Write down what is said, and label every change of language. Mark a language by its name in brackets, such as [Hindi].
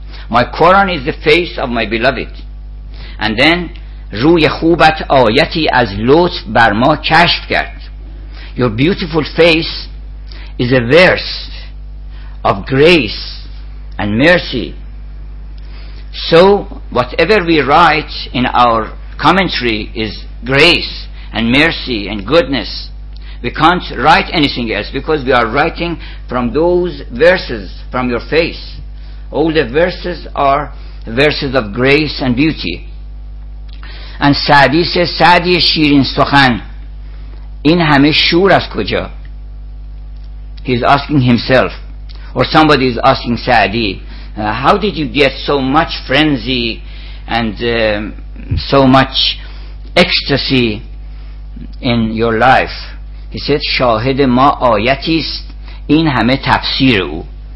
[English] My Quran is the face of my beloved. And then, [Persian] روی خوبت آیتی از لطف بر ما کشف کرد. [English] Your beautiful face is a verse of grace and mercy. So whatever we write in our commentary is grace and mercy and goodness. We can't write anything else because we are writing from those verses, from your face. All the verses are verses of grace and beauty. And سعدی says, [Persian] سعدی شیرین سخن, این همه شور از کجا? [English] He is asking himself, or somebody is asking سعدی, how did you get so much frenzy and so much ecstasy in your life? He said, [Persian] شاهد ما آیتیست, این همه تفسیر او.